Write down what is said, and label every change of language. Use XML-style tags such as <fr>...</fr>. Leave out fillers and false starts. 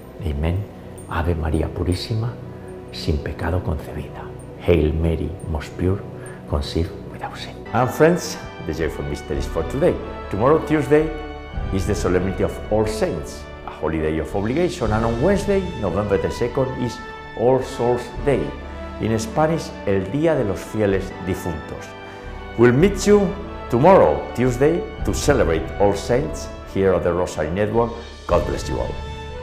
<es>Amen. Ave Maria Purissima, sin pecado concebida.</es> <en>Hail Mary, most pure, conceived without sin. And friends, the joyful mystery is for today. Tomorrow, Tuesday, is the Solemnity of All Saints, a holy day of obligation. And on Wednesday, November the 2nd, is All Souls Day. In Spanish,</en> <es>El Día de los Fieles Difuntos.</es> <en>We'll meet you tomorrow, Tuesday, to celebrate All Saints here on the Rosary Network. God bless you all.</en>